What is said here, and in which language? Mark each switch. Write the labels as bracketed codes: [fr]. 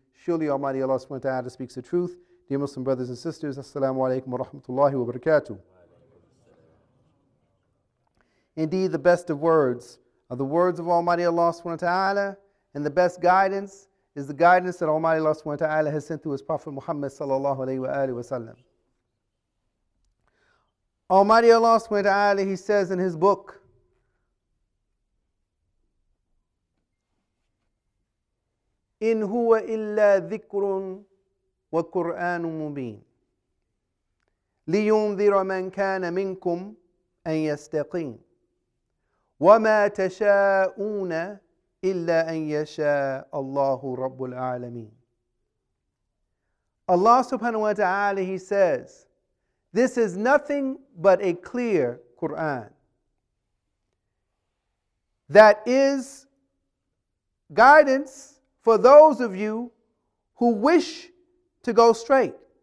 [en] Surely Almighty Allah subhanahu wa ta'ala speaks the truth. Dear Muslim brothers and sisters, assalamu alaikum wa rahmatullahi wa barakatuh. Indeed, the best of words are the words of Almighty Allah subhanahu wa ta'ala, and the best guidance is the guidance that Almighty Allah subhanahu wa ta'ala has sent through his Prophet Muhammad sallallahu alayhi wa alayhi wa sallam. Almighty Allah subhanahu wa ta'ala, he says in his book, [ar] إِنْ هُوَ إِلَّا ذِكْرٌ وَقُرْآنٌ مُبِينٌ لِيُنْذِرَ مَنْ كَانَ مِنْكُمْ أَنْ يَسْتَقِيمُ وَمَا تَشَاءُونَ إِلَّا أَنْ يَشَاءَ اللَّهُ رَبُّ الْعَالَمِينَ. [en] Allah subhanahu wa ta'ala, he says, this is nothing but a clear Quran that is guidance for those of you who wish to go straight.